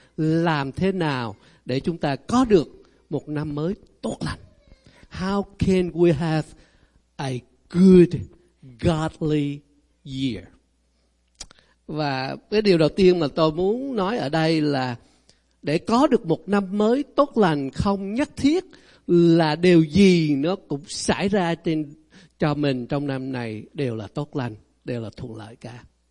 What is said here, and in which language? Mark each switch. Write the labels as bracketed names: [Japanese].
[Vietnamese] Làm thế nào để chúng ta có được một năm mới tốt lành? [English] How can we have a good godly year? [Vietnamese] Và cái điều đầu tiên mà tôi muốn nói ở đây là để có được một năm mới tốt lành, không nhất thiết là điều gì nó cũng xảy ra trên cho mình trong năm này đều là tốt lành, đều là thuận lợi cả.